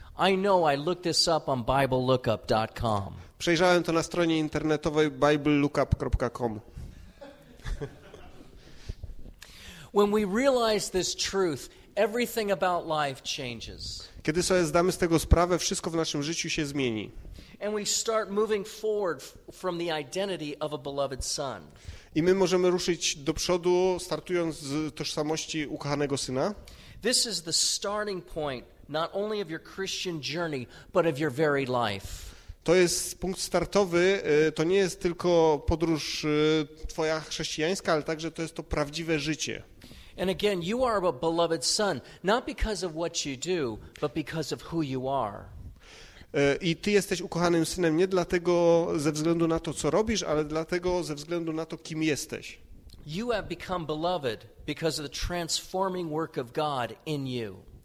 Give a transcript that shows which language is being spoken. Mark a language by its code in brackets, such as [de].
[en] I know I looked this up on BibleLookup.com. [pl] Przejrzałem to na stronie internetowej BibleLookup.com. [en] When we realize this truth, everything about life changes. [pl] Kiedy sobie zdamy z tego sprawę, wszystko w naszym życiu się zmieni. [en] And we start moving forward from the identity of a beloved son. [pl] I my możemy ruszyć do przodu, startując z tożsamości ukochanego syna. [en] This is the starting point. Not only of your Christian journey, but of your very life. [pl] To jest punkt startowy, to nie jest tylko podróż twoja chrześcijańska, ale także to jest to prawdziwe życie. [en] And again, you are a beloved son, not because of what you do, but because of who you are. [pl] I ty jesteś ukochanym synem nie dlatego ze względu na to, co robisz, ale dlatego ze względu na to, kim jesteś. [en] You have become beloved because of the transforming work of God in you.